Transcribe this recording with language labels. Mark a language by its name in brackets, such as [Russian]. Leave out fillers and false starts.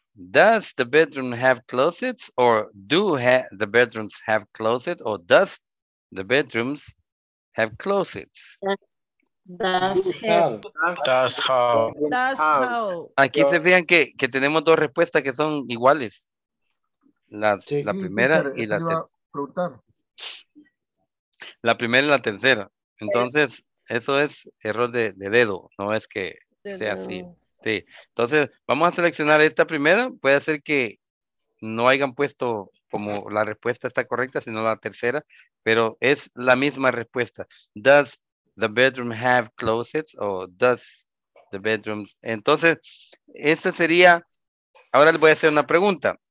[English] Does the bedroom have closets or do the bedrooms have closets or does the bedrooms have closets? That's how. [Spanish] Aquí se fijan que tenemos dos respuestas que son iguales. La primera y la tercera. La primera y la tercera. Entonces, eso es error de dedo, no es que sea así. Sí. Entonces, vamos a seleccionar esta primera. Puede ser que no hayan puesto como la respuesta está correcta, sino la tercera, pero es la misma respuesta. [English] Does the bedroom have closets or does the bedrooms? [Spanish] Entonces, esta sería, ahora le voy a hacer una pregunta.